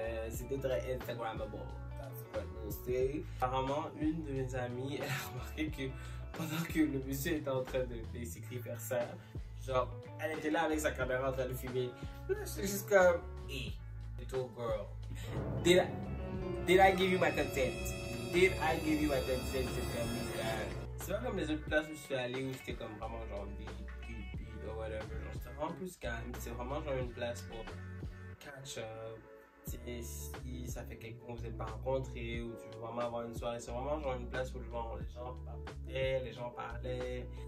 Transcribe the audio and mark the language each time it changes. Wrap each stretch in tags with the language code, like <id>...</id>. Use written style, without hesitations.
<fr>C'était très Instagrammable.</fr> <en>That's what we'll say.</en> <fr>Apparemment, une de mes amies a remarqué que pendant que le monsieur était en train de basically faire ça, genre, elle était là avec sa caméra en train de filmer. Là, c'est juste comme. Hey.</fr> <en>Little girl, did I give you my consent? Did I give you my consent to come here?</en> <fr>C'est pas comme les autres places où je suis allé où c'était comme vraiment genre des cupides ou whatever. Genre c'était vraiment plus calme. C'est vraiment genre une place pour catch up. T'sais, si ça fait quelque chose que vous êtes pas rencontré ou tu veux vraiment avoir une soirée, c'est vraiment genre une place où genre, les gens parlaient, les gens parlaient.</fr>